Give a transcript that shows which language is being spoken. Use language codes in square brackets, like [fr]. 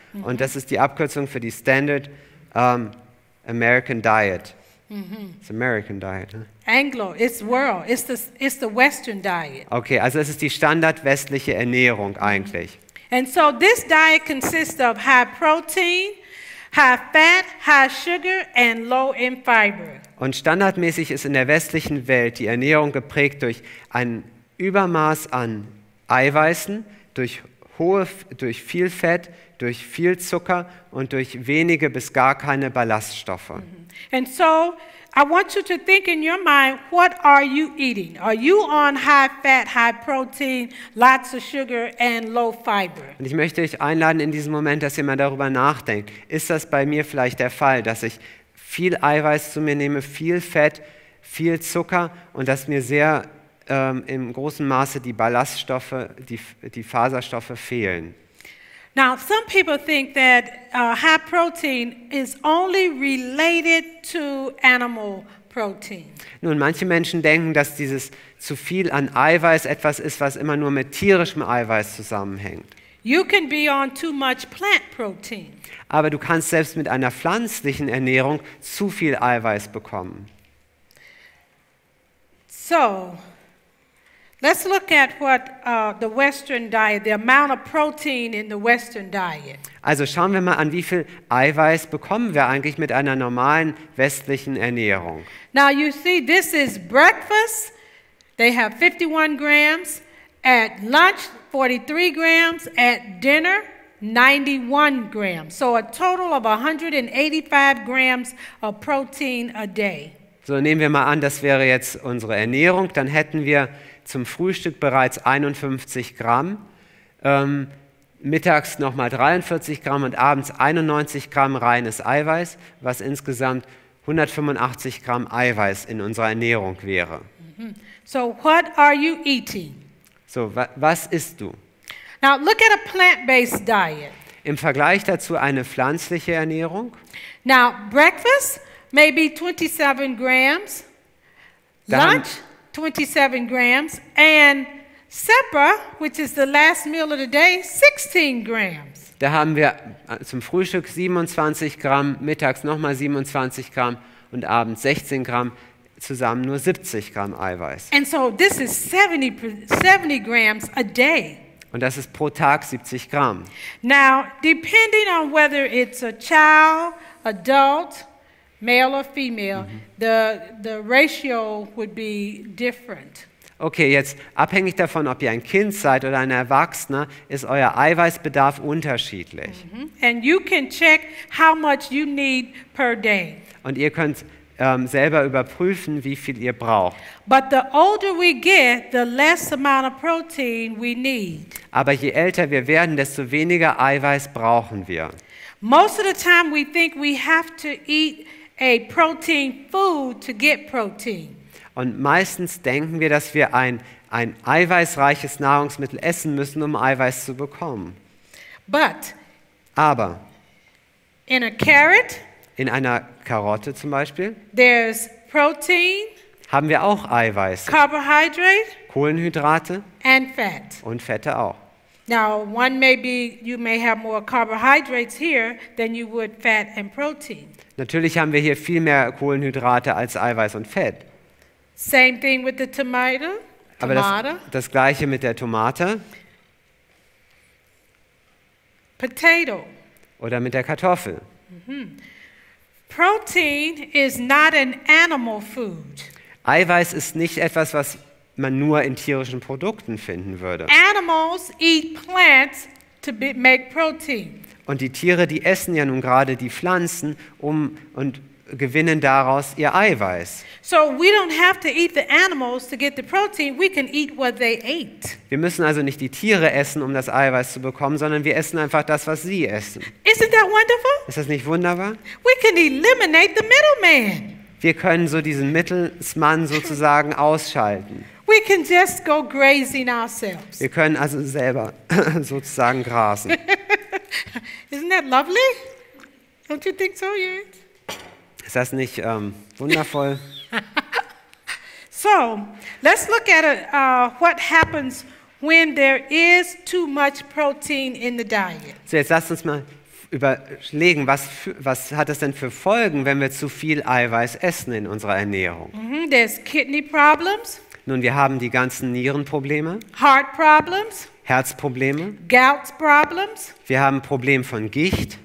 [de] Und das ist die Abkürzung für die [en] Standard American Diet. It's American Diet. Huh? Anglo, it's world. It's the Western Diet. [de] Okay, also es ist die Standard westliche Ernährung eigentlich. [en] And so this diet consists of high protein, high fat, high sugar and low in fiber. [de] Und standardmäßig ist in der westlichen Welt die Ernährung geprägt durch ein Übermaß an Eiweißen, durch viel Fett, durch viel Zucker und durch wenige bis gar keine Ballaststoffe. [en] And so I want you to think in your mind, what are you eating? Are you on high fat, high protein, lots of sugar and low fiber? [de] Und ich möchte euch einladen in diesem Moment, dass ihr mal darüber nachdenkt. Ist das bei mir vielleicht der Fall, dass ich viel Eiweiß zu mir nehme, viel Fett, viel Zucker und dass mir sehr im großen Maße die Ballaststoffe, die Faserstoffe fehlen? [en] Now, some people think that high protein is only related to animal protein. [de] Nun, manche Menschen denken, dass dieses zu viel an Eiweiß etwas ist, was immer nur mit tierischem Eiweiß zusammenhängt. [en] You can be on too much plant protein. [de] Aber du kannst selbst mit einer pflanzlichen Ernährung zu viel Eiweiß bekommen. [en] So, let's look at what the Western diet, the amount of protein in the Western diet. [de] Also schauen wir mal an, wie viel Eiweiß bekommen wir eigentlich mit einer normalen westlichen Ernährung. [en] Now you see, this is breakfast. They have 51 grams. At lunch, 43 grams. At dinner, 91 grams. So a total of 185 grams of protein a day. [de] So nehmen wir mal an, das wäre jetzt unsere Ernährung. Dann hätten wir zum Frühstück bereits 51 Gramm, mittags nochmal 43 Gramm und abends 91 Gramm reines Eiweiß, was insgesamt 185 Gramm Eiweiß in unserer Ernährung wäre. [en] So, what are you eating? [de] So, was isst du? [en] Now, look at a plant-based diet. [de] Im Vergleich dazu eine pflanzliche Ernährung. [en] Now, breakfast, maybe 27 grams. Lunch, 27 grams and supper, which is the last meal of the day, 16 grams. [de] Da haben wir zum Frühstück 27 Gramm, mittags nochmal 27 Gramm und abends 16 Gramm, zusammen nur 70 Gramm Eiweiß. [en] And so this is 70 grams a day. [de] Und das ist pro Tag 70 Gramm. [en] Now, depending on whether it's a child, adult, male or female, the ratio would be different. [de] Okay, jetzt abhängig davon, ob ihr ein Kind seid oder ein Erwachsener, ist euer Eiweißbedarf unterschiedlich. [en] And you can check how much you need per day. [de] Und ihr könnt selber überprüfen, wie viel ihr braucht. [en] But the older we get, the less amount of protein we need. [de] Aber je älter wir werden, desto weniger Eiweiß brauchen wir. [en] Most of the time we think we have to eat a protein food to get protein. [de] Und meistens denken wir, dass wir ein eiweißreiches Nahrungsmittel essen müssen, um Eiweiß zu bekommen. [en] But [de] aber [en] in a carrot, [de] in einer Karotte zum Beispiel, [en] there's protein, [de] haben wir auch Eiweiß, [en] carbohydrate, [de] Kohlenhydrate [en] and fat. [de] Und Fette auch. [en] Now one may be, you may have more carbohydrates here than you would fat and protein. [de] Natürlich haben wir hier viel mehr Kohlenhydrate als Eiweiß und Fett. [en] Same thing with the tomato. [de] Aber das gleiche mit der Tomate. [en] Potato. [de] Oder mit der Kartoffel. [en] Mm-hmm. Protein is not an animal food. [de] Eiweiß ist nicht etwas, was man nur in tierischen Produkten finden würde. [en] Animals eat plants to make protein. [de] Und die Tiere, die essen ja nun gerade die Pflanzen und gewinnen daraus ihr Eiweiß. [en] So we don't have to eat the animals to get the protein, we can eat what they ate. [de] Wir müssen also nicht die Tiere essen, um das Eiweiß zu bekommen, sondern wir essen einfach das, was sie essen. [en] Isn't that wonderful? [de] Ist das nicht wunderbar? [en] We can eliminate the middleman. [de] Wir können so diesen Mittelsmann sozusagen ausschalten. [en] We can just go grazing ourselves. [de] Wir können also selber sozusagen grasen. [en] Isn't that lovely? Don't you think so yet? [de] Ist das nicht wundervoll? [en] So, let's look at what happens when there is too much protein in the diet. [de] So, jetzt lasst uns mal überlegen, was hat es denn für Folgen, wenn wir zu viel Eiweiß essen in unserer Ernährung? [en] Mm-hmm, there's kidney problems. [de] Nun, wir haben die ganzen Nierenprobleme. [en] Heart problems. [de] Herzprobleme. [en] Gout problems. [de] Wir haben Probleme von Gicht.